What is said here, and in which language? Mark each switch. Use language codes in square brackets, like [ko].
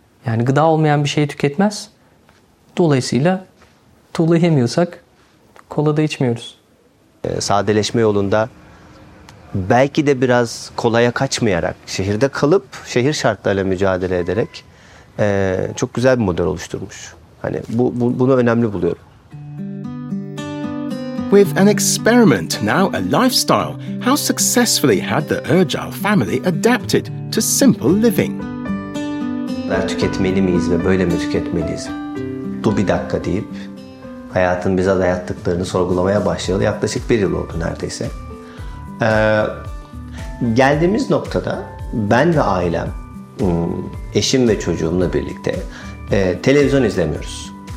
[tr] Yani gıda olmayan bir şeyi tüketmez. Dolayısıyla tuğla yemiyorsak kola da içmiyoruz. Sadeleşme yolunda belki de biraz kolaya kaçmayarak, şehirde kalıp şehir şartlarıyla mücadele ederek çok güzel bir model oluşturmuş. Hani bunu önemli buluyorum. [en] With an experiment, now a lifestyle, how successfully had the Urgell family adapted to simple living? [tr] Ben tüketmeli miyiz ve böyle mi tüketmeliyiz? Dur bir dakika deyip hayatın bize dayattıklarını sorgulamaya başlayalı yaklaşık bir yıl oldu neredeyse. Geldiğimiz noktada ben ve ailem, eşim ve çocuğumla birlikte televizyon izlemiyoruz.